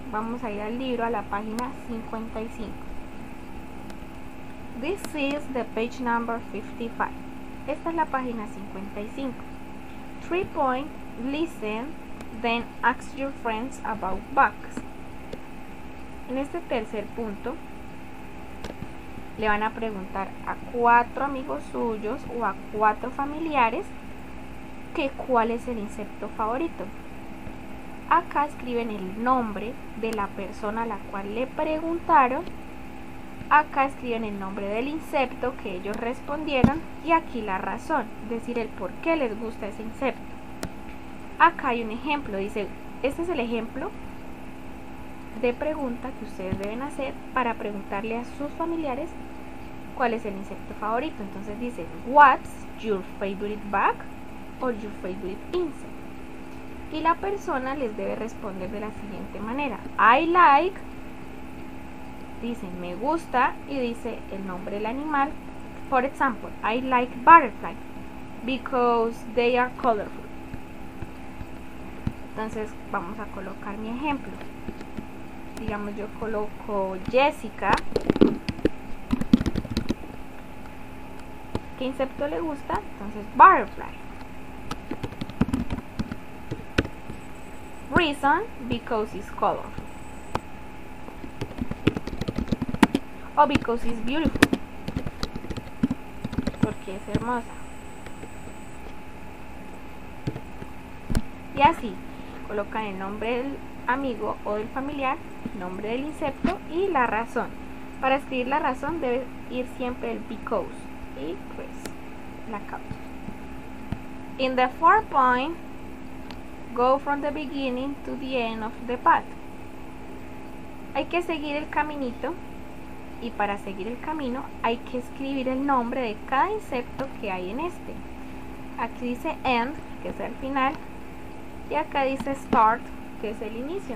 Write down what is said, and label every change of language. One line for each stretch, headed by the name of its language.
Spanish: Vamos a ir al libro, a la página 55.
English: This is the page number 55.
Spanish: Esta es la página 55.
English: 3 point, listen, then ask your friends about bugs.
Spanish: En este tercer punto, le van a preguntar a 4 amigos suyos o a 4 familiares que cuál es el insecto favorito. Acá escriben el nombre de la persona a la cual le preguntaron. Acá escriben el nombre del insecto que ellos respondieron y aquí la razón, es decir, el por qué les gusta ese insecto. Acá hay un ejemplo, dice, este es el ejemplo de pregunta que ustedes deben hacer para preguntarle a sus familiares cuál es el insecto favorito. Entonces dice,
English: what's your favorite bug or your favorite insect?
Spanish: Y la persona les debe responder de la siguiente manera:
English: I like,
Spanish: dicen, me gusta, y dice el nombre del animal.
English: For example, I like butterfly because they are colorful.
Spanish: Entonces vamos a colocar mi ejemplo. Digamos, yo coloco Jessica. ¿Qué insecto le gusta? Entonces, butterfly.
English: Reason, because it's colorful. O because it's beautiful.
Spanish: Porque es hermosa. Y así, colocan el nombre del amigo o del familiar, nombre del insecto y la razón. Para escribir la razón debe ir siempre el because y pues la causa.
English: In the 4 point, go from the beginning to the end of the path.
Spanish: Hay que seguir el caminito y para seguir el camino hay que escribir el nombre de cada insecto que hay en este. Aquí dice end, que es el final, y acá dice start, que es el inicio.